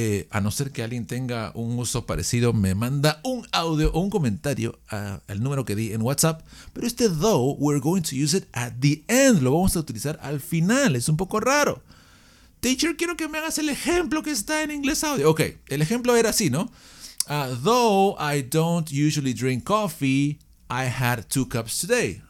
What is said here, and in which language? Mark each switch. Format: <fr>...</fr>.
<es>A no ser que alguien tenga un uso parecido, me manda un audio o un comentario al número que di en WhatsApp. Pero este</es> <en>though, we're going to use it at the end.</en> <es>Lo vamos a utilizar al final. Es un poco raro. Teacher, quiero que me hagas el ejemplo que está en inglés audio. Ok, el ejemplo era así, ¿no?</es> <en>Though I don't usually drink coffee, I had 2 cups today.</en>